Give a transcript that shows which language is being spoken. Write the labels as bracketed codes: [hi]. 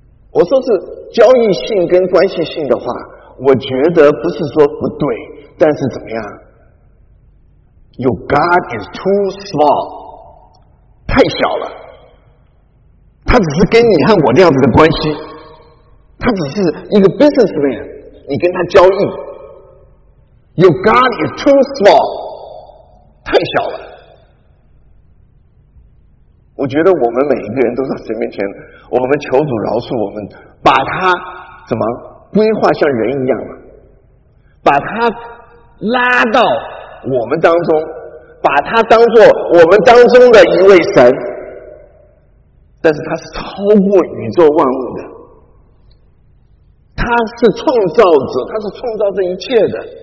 [zh] 我说是交易性跟关系性的话，我觉得不是说不对，但是怎么样， [en] Your God is too small， [zh] 太小了，他只是跟你和我这样子的关系，他只是一个 businessman， 你跟他交易。 [en] Your God is too small， [zh] 太小了。我觉得我们每一个人都在神面前，我们求主饶恕我们，把他怎么规划像人一样嘛，把他拉到我们当中，把他当作我们当中的一位神，但是他是超过宇宙万物的，他是创造者，他是创造这一切的。